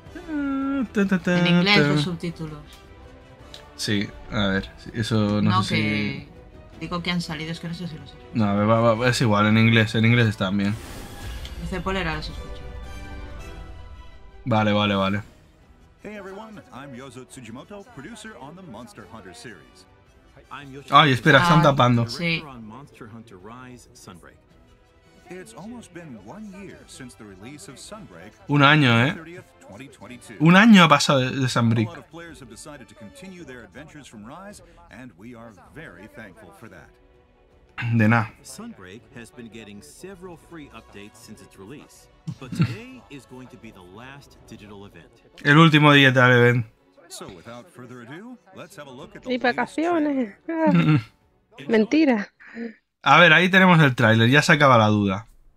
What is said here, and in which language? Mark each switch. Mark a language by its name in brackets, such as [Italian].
[Spanish] En inglés los subtítulos. Sí, a ver, eso no sé que... si... Digo que han salido, es que no sé si los escucho. No, a ver, va, es igual, en inglés están bien. Dice Polera, los escucho. Vale. [English] Hey everyone, I'm Yozo Tsujimoto, producer on the Monster Hunter series. [Spanish] Ay, espera, están tapando. Sí. Monster Hunter Rise Sunbreak. [English] It's almost been 1 year since the release of Sunbreak. [Spanish] Un año, ¿eh? Un año ha pasado de Sunbreak. [English] A lot of players have decided to continue their adventures from Rise, and we are very thankful for that. [Spanish] De nada. [English] Sunbreak has been getting several free updates since its release, but today is going to be the last digital event. [Spanish] El último día del evento. [English] So without further ado, let's have a look at the vacaciones. [Spanish] Mentira. A ver, ahí tenemos el tráiler, ya se acaba la duda.